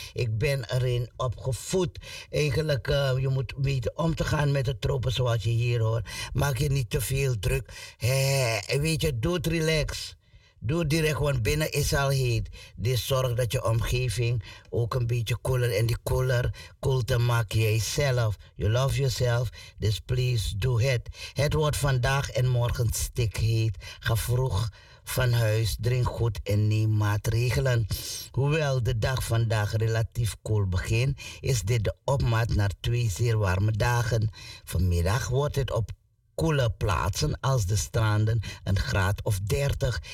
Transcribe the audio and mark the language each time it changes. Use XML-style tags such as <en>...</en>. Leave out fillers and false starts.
<nl>Ik ben erin opgevoed. Eigenlijk, je moet weten om te gaan met de tropen zoals je hier hoort. Maak je niet te veel druk. Weet je, doe het relax. Doe het direct, want binnen is al heet. Dus zorg dat je omgeving ook een beetje koeler. En die koeler, koelte maak jij zelf.</nl> <en>You love yourself, dus please do it.</en> <nl>Het wordt vandaag en morgen stikheet. Ga vroeg van huis, drink goed en neem maatregelen. Hoewel de dag vandaag relatief koel begint, is dit de opmaat naar 2 zeer warme dagen. Vanmiddag wordt het op koele plaatsen als de stranden een graad of 30.</nl>